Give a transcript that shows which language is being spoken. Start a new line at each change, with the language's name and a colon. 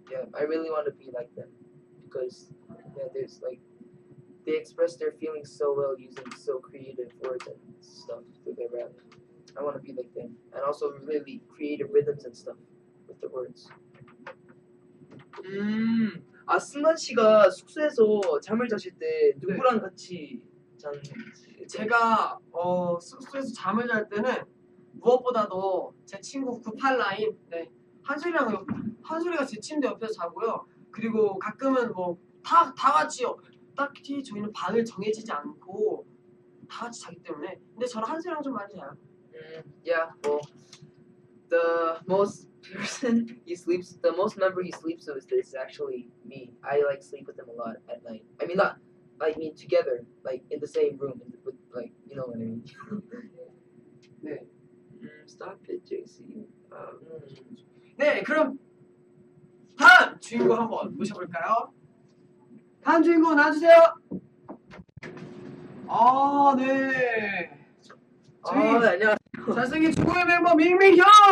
English: Yeah, I really want to be like them because yeah, there's like they express their feelings so well using so creative words and stuff through their rap. I want to be like them and also really creative rhythms and stuff with the words.
Korean: 아 승관 씨가 숙소에서 잠을 자실 때 누구랑 네. 같이 잤는지. 제가 숙소에서 잠을 잘 때는 무엇보다도 제 친구 98라인 네. 한솔이가 제 침대 옆에서 자고요. 그리고 가끔은 뭐 다 같이 딱히 저희는 방을 정해지지 않고 다 같이 자기 때문에 근데 저랑 한솔이랑 좀 많이 자요.
English: Yeah, the most person he sleeps the most member he sleeps with is actually me. I like sleep with him a lot at night. I mean not I mean together like in the same room with like you know what I mean.
Korean: 네.
English: Stop it, JC.
Korean: 네, 그럼 다음 주인공 한번 모셔볼까요? 다음 주인공 나와주세요. 아, 네. 저희 안녕하세요. 잘생긴 중국의 멤버 밍밍 형.